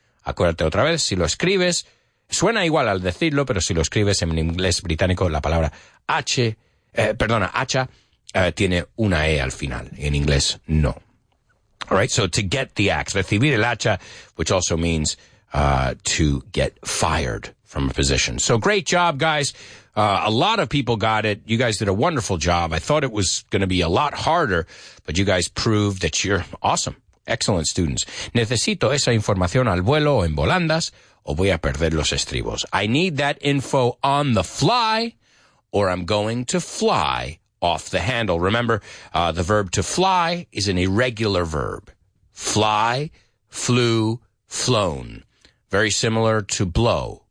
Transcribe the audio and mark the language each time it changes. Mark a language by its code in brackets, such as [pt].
[es] Acuérdate otra vez, si lo escribes, suena igual al decirlo, pero si lo escribes en inglés británico, la palabra hacha, tiene una E al final. En inglés, no. [en] All right, so to get the axe, [es] recibir el hacha, [en] which also means to get fired from a position. So great job, guys. A lot of people got it. You guys did a wonderful job. I thought it was going to be a lot harder, but you guys proved that you're awesome. Excellent students. [es] Necesito esa información al vuelo o en volandas. O voy a perder los estribos. [en] I need that info on the fly, or I'm going to fly off the handle. Remember, the verb to fly is an irregular verb. Fly, flew, flown. Very similar to blow.